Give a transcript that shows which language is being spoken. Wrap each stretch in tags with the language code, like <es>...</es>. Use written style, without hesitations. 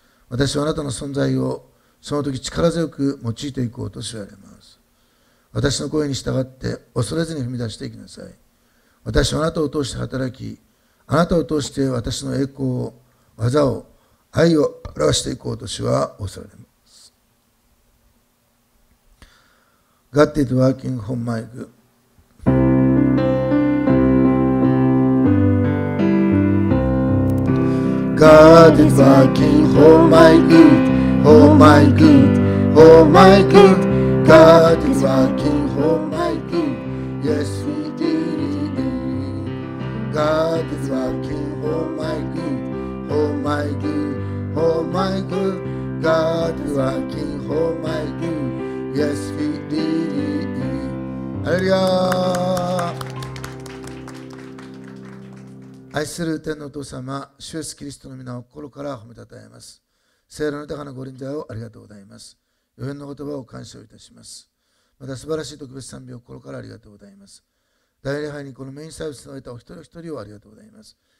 <ja>私はあなたの存在をその時力強く用いていこうと知られます。私の声に従って恐れずに踏み出していきなさい。私はあなたを通して働き、あなたを通して私の栄光を、技を、愛を表していこうと主は仰せられます。</ja> <en>God is working on my good。 God is working for my good, for my good, for my good. God is working for my good, yes He did it. God is working for my good, for my good, for my good. God is working for my good, yes He did it. Hallelujah.</en> <ja>愛する天のお父様、主イエスキリストの皆を心から褒めたたえます。聖霊の豊かなご臨在をありがとうございます。予言の言葉を感謝いたします。また素晴らしい特別賛美を心からありがとうございます。大礼拝にこのメインサービスのいたお一人お一人をありがとうございます。</ja>